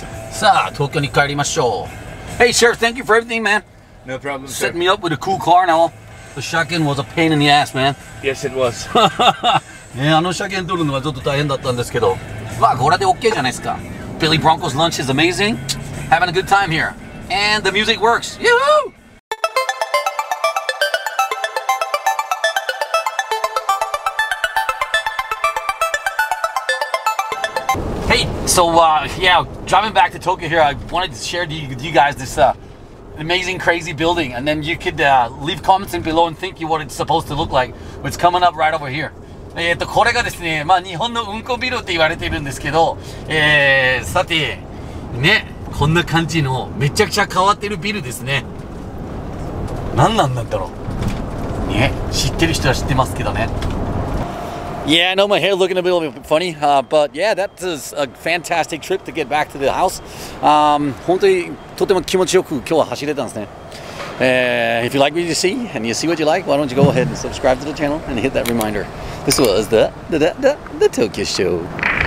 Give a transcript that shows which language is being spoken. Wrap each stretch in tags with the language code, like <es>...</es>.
<ja>さあ、東京に帰りましょう。</ja> <en>Hey, Sheriff, thank you for everything, man. No problem, sir. Set me up with a cool car and all. The 車検 was a pain in the ass, man. Yes, it was.</en> <ja>ね、あの車検取るのはちょっと大変だったんですけど。まあ、これで OK じゃないですか。</ja> <en>Billy Bronco's lunch is amazing. Having a good time here. And the music works. Yoo-hoo! Hey, so driving back to Tokyo here, I wanted to share with you guys this amazing, crazy building. And then you could leave comments in below and think what it's supposed to look like. It's coming up right over here.</en> <ja>これがですね、まあ、日本のうんこビルって言われているんですけど、さて、ね。こんな感じのめちゃくちゃ変わってるビルですね。何なんだろう。ね、知ってる人は知ってますけどね。</ja> <en>Yeah, I know my hair looking a little bit funny, but yeah, that is a fantastic trip to get back to the house.</en> <ja>本当にとても気持ちよく今日は走れたんですね。</ja> <en>If you like what you see and you see what you like, why don't you go ahead and subscribe to the channel and hit that reminder. This was the Tokyo Show.</en>